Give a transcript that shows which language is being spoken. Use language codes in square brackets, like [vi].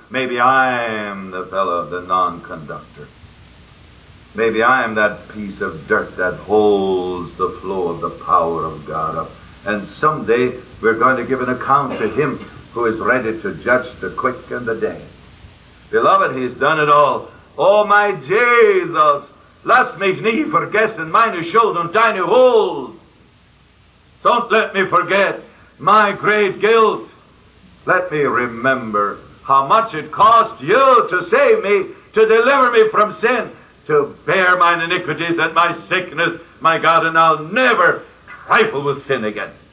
[en] Maybe I am the fellow of the non-conductor. Maybe I am that piece of dirt that holds the flow of the power of God up. And someday we're going to give an account to him who is ready to judge the quick and the dead. Beloved, he's done it all. Oh, my Jesus, [de] lass mich nie vergessen meine Schuld und deine Huld. [en] Don't let me forget my great guilt. Let me remember how much it cost you to save me, to deliver me from sin, to bear mine iniquities and my sickness, my God, and I'll never trifle with sin again.